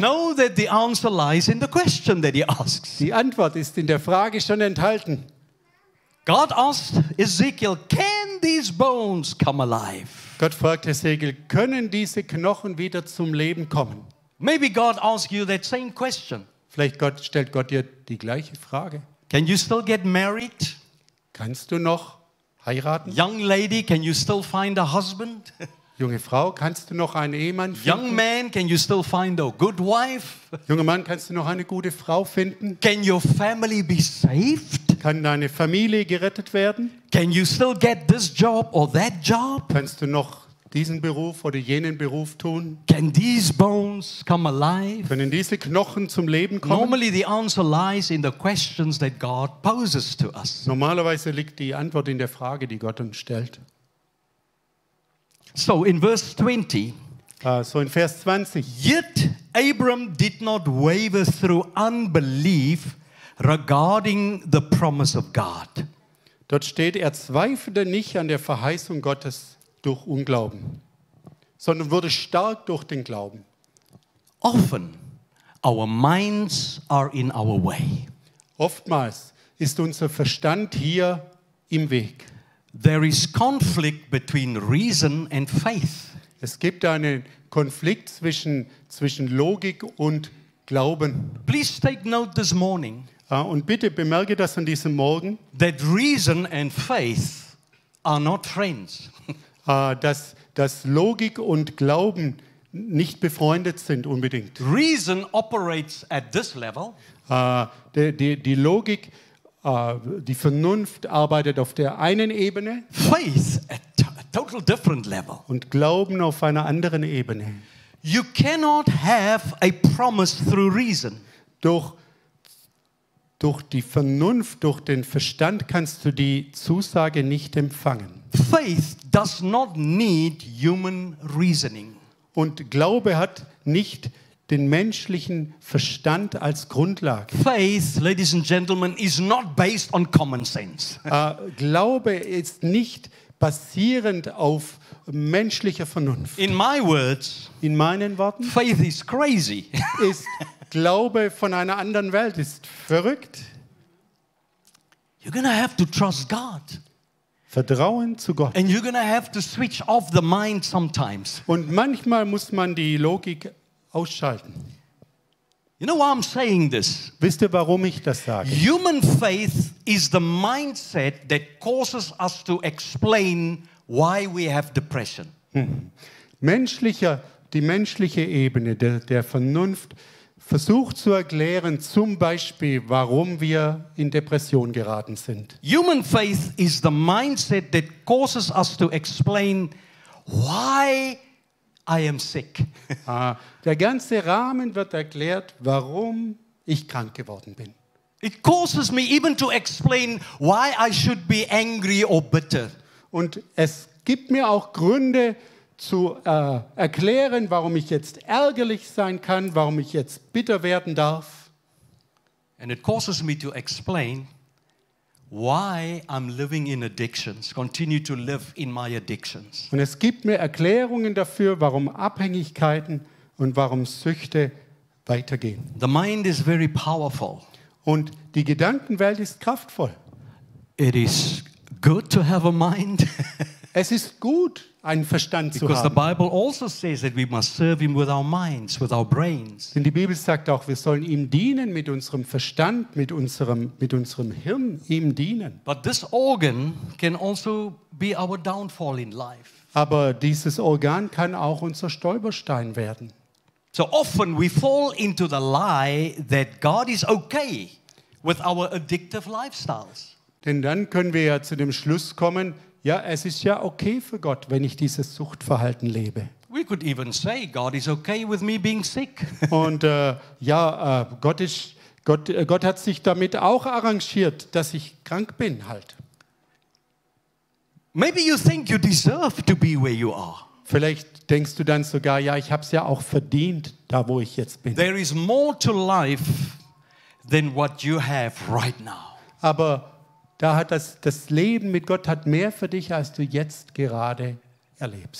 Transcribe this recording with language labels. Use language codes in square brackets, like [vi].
[en] know that the answer lies in the question that he asks. [de] Die Antwort ist in der Frage schon enthalten. [en] God asked Ezekiel, "Can these bones come alive?" [de] Gott fragt Ezekiel, können diese Knochen wieder zum Leben kommen? [en] Maybe God asks you that same question. [de] Vielleicht stellt Gott dir die gleiche Frage. [en] Can you still get married? [de] Kannst du noch heiraten? [en] Young lady, can you still find a husband? [de] Junge Frau, kannst du noch einen Ehemann finden? [en] Young man, can you still find a good wife? [de] Junger Mann, kannst du noch eine gute Frau finden? [en] Can your family be saved? [de] Kann deine Familie gerettet werden? [en] Can you still get this job or that job? [de] Kannst du noch diesen Beruf oder jenen Beruf tun? [en] Can these bones come alive? [de] Können diese Knochen zum Leben kommen? [en] Normally the answer lies in the questions that God poses to us. [de] Normalerweise liegt die Antwort in der Frage, die Gott uns stellt. [en] So in verse 20. [de] So in Vers 20. [en] Yet Abram did not waver through unbelief regarding the promise of God. [de] Dort steht, er zweifelte nicht an der Verheißung Gottes durch Unglauben. sondern wurde stark durch den Glauben. [en] Often our minds are in our way. [de] Oftmals ist unser Verstand hier im Weg. [en] There is conflict between reason and faith. [de] Es gibt einen Konflikt zwischen Logik und Glauben. [en] Please take note this morning. [de] Und bitte bemerke das an diesem Morgen. [en] That reason and faith are not friends. [de] dass Logik und Glauben nicht befreundet sind unbedingt. [en] Reason operates at this level. [de] Die Logik, die Vernunft arbeitet auf der einen Ebene. [en] Faith at a total different level. [de] Und Glauben auf einer anderen Ebene. [en] You cannot have a promise through reason. [de] Durch die Vernunft, durch den Verstand kannst du die Zusage nicht empfangen. [en] Faith does not need human reasoning. [de] Und Glaube hat nicht den menschlichen Verstand als Grundlage. [en] Faith, ladies and gentlemen, is not based on common sense. [de] Glaube ist nicht basierend auf menschlicher Vernunft. [en] In my words, [de] in meinen Worten, [en] faith is crazy. [de] Ist Glaube von einer anderen Welt, ist verrückt. [en] You're gonna have to trust God. [de] Vertrauen zu Gott. [en] And you're gonna have to switch off the mind sometimes. [de] Und manchmal muss man die Logik ausschalten. [en] You know why I'm saying this? [de] Wisst ihr, warum ich das sage? [en] Human faith is the mindset that causes us to explain why we have depression. [de] Die menschliche Ebene der Vernunft versucht zu erklären, zum Beispiel, warum wir in Depression geraten sind. [en] Human faith is the mindset that causes us to explain why I am sick. [de] Der ganze Rahmen wird erklärt, warum ich krank geworden bin. [en] It causes me even to explain why I should be angry or bitter. [de] Und es gibt mir auch Gründe zu erklären, warum ich jetzt ärgerlich sein kann, warum ich jetzt bitter werden darf. [en] And it causes me to explain why I'm living in addictions, continue to live in my addictions. [de] Und es gibt mir Erklärungen dafür, warum Abhängigkeiten und warum Süchte weitergehen. [en] The mind is very powerful. [de] Und die Gedankenwelt ist kraftvoll. [en] It is good to have a mind. [de] Es ist gut, einen Verstand [en] because [de] zu haben. [en] The Bible also says that we must serve him with our minds, with our brains. [de] Denn die Bibel sagt auch, wir sollen ihm dienen mit unserem Verstand, mit unserem Hirn, ihm dienen. [en] But this organ can also be our downfall in life. [de] Aber dieses Organ kann auch unser Stolperstein werden. [en] So often we fall into the lie that God is okay with our addictive lifestyles. [de] Denn dann können wir ja zu dem Schluss kommen, ja, es ist ja okay für Gott, wenn ich dieses Suchtverhalten lebe. [en] We could even say God is okay with me being sick. [de] Und Gott hat sich damit auch arrangiert, dass ich krank bin halt. [en] Maybe you think you deserve to be where you are. [de] Vielleicht denkst du dann sogar, ja, ich habe es ja auch verdient, da wo ich jetzt bin. [en] There is more to life than what you have right now. [de] Aber da hat das Leben mit Gott hat mehr für dich, als du jetzt gerade erlebst.